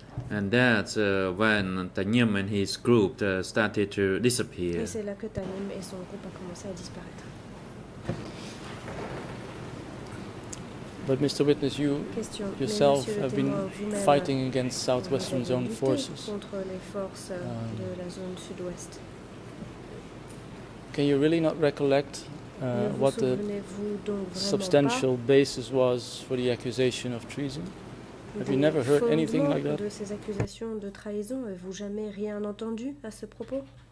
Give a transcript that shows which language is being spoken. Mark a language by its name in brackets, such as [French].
[English] And that's when Tanim and his group started to disappear. [French] Et c'est là que Tanim et son groupe a commencé à disparaître. [English] But Mr. Witness, you question. Yourself Monsieur have been fighting against Southwestern Zone forces. [French] Contre les forces de la zone sud-ouest. [English] Can you really not recollect what the substantial basis was for the accusation of treason? Have you never heard anything like that? [French] De ces accusations de trahison, avez-vous jamais rien entendu à ce propos?